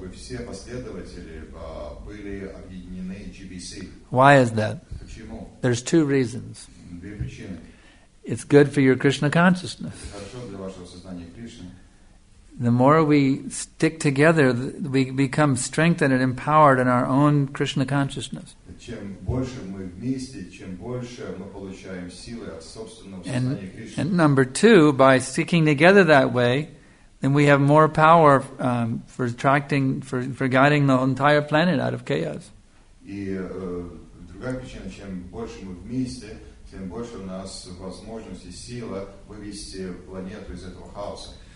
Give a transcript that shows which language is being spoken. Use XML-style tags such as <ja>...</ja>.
<ru>все последователи были объединены GBC.</ru> <en>Why is that?</en> <ru>Почему?</ru> <en>There's two reasons.</en> <ru>Две причины.</ru> <en>It's good for your Krishna consciousness.</en> <ru>Хорошо для вашего сознания Кришны.</ru> <en>The more we stick together, we become strengthened and empowered in our own Krishna consciousness.</en> <ru>Чем больше мы вместе, чем больше мы получаем силы от собственного сознания Кришны.</ru> <en>And number two, by sticking together that way, then we have more power for attracting, for guiding the entire planet out of chaos.</en> <ru>И другая причина, чем больше мы вместе, тем больше у нас возможности, сила вывести планету из этого хаоса.</ru>